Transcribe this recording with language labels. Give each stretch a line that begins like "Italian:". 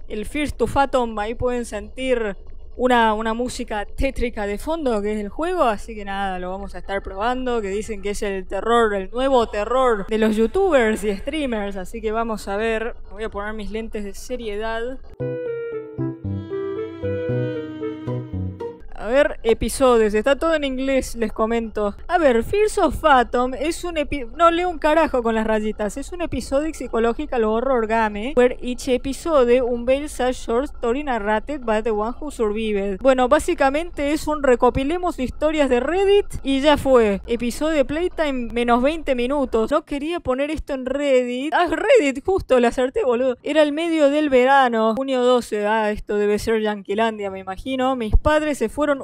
Spanish: El First to Fathom, ahí pueden sentir una música tétrica de fondo, que es el juego, así que nada, lo vamos a estar probando, que dicen que es el terror, el nuevo terror de los youtubers y streamers, así que vamos a ver, voy a poner mis lentes de seriedad. A ver, episodios. Está todo en inglés, les comento. A ver, Fears of Fathom es un episodio. No leo un carajo con las rayitas. Es un episodio psicológico al horror game.
English: Where each episode unveils a short story narrated by the one who survived.
Spanish: Bueno, básicamente es un recopilemos historias de Reddit y ya fue. Episodio de Playtime menos 20 minutos. Yo quería poner esto en Reddit. Ah, Reddit, justo, le acerté, boludo. Era el medio del verano, junio 12. Ah, esto debe ser Yanquilandia, me imagino. Mis padres se fueron.